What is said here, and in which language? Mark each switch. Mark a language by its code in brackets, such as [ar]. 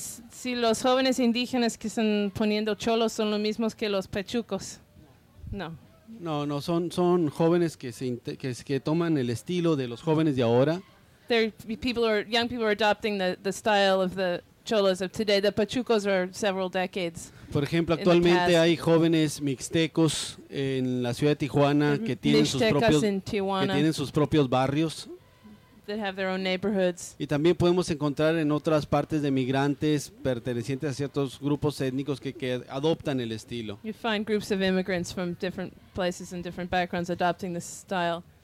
[es] Si los jóvenes indígenas que están poniendo cholos son los mismos que los pechucos. No, son jóvenes que toman el estilo de los jóvenes de ahora. [en] Young people are adopting the style of the cholos of today. The pechucos are several decades. [es] Por ejemplo, actualmente hay jóvenes mixtecos en la ciudad de Tijuana que tienen sus propios barrios. [en] That have their own neighborhoods. [es] Y también podemos encontrar en otras partes de migrantes pertenecientes a ciertos grupos étnicos que adoptan el estilo. [en] You find groups of immigrants from different places and different backgrounds adopting this style.